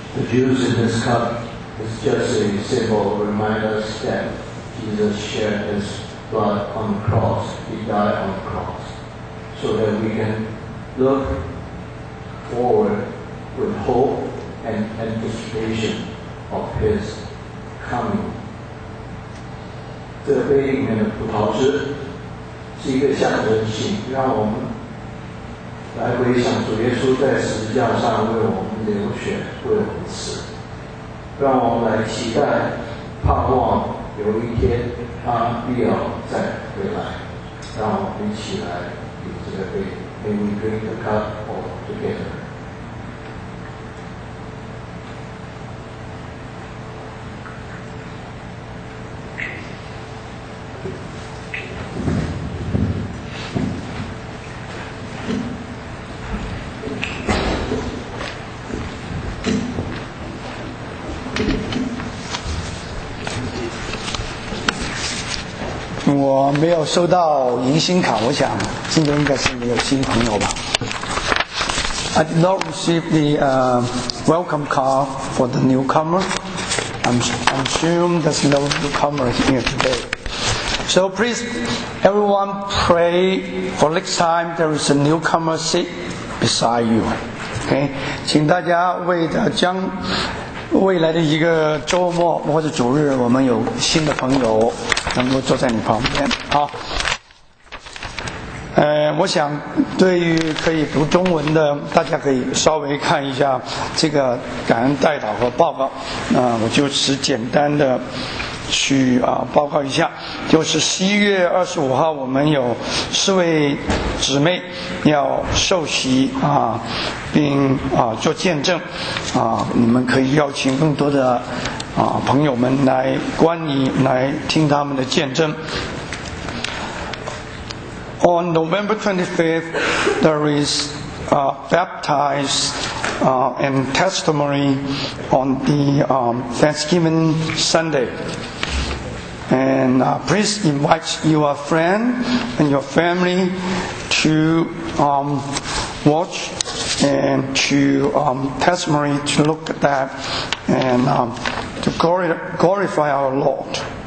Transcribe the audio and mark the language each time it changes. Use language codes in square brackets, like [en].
[en] Using this cup is just a symbol to remind us that Jesus shed his blood on the cross. He died on the cross. So that we can look forward with hope and anticipation of his coming. [zh] 这杯里面的葡萄汁是一个象征性，让我们来回想主耶稣在十字架上为我们流血，为我们死，让我们来期待盼望有一天他必要再回来。让我们一起来饮这个杯， [en] May we drink the cup all together. [zh] 我没有收到迎新卡，我想今天应该是没有新朋友吧。 [en] I did not receive the welcome card for the newcomer. I'm assume there's no newcomer here today. So please, everyone pray for next time there is a newcomer seat beside you. Okay? [zh] 请大家为了将未来的一个周末或者主日我们有新的朋友能够坐在你旁边。好。我想对于可以读中文的大家可以稍微看一下这个感恩代祷和报告，那我就只简单的去报告一下，就是11月25号我们有四位姊妹要受洗并做见证你们可以邀请更多的朋友们来观礼来听他们的见证。 [en] On November 25th, there is baptized and testimony on the Thanksgiving Sunday. And please invite your friend and your family to watch and to testimony to look at that and to glorify our Lord.